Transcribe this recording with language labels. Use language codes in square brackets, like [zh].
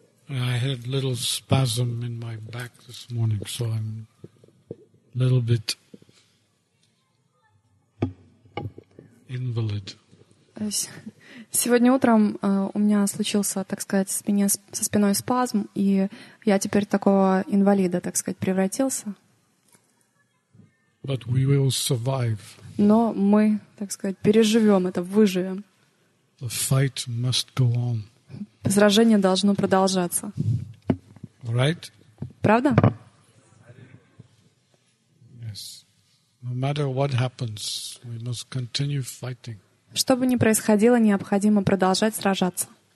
[en] I had a little spasm in my back this morning, so I'm a little bit invalid. [ru] Сегодня утром у меня случился, так сказать, со спиной спазм, и я теперь такого инвалида, так сказать, превратился. [en] But we will survive. [ru] Но мы, так сказать, переживем это, выживем. [en] The fight must go on. [ru] Сражение должно продолжаться. [en] Right? [ru] Правда? [en] Yes. No matter what happens, we must continue fighting. [ru] Что бы ни происходило, необходимо продолжать сражаться.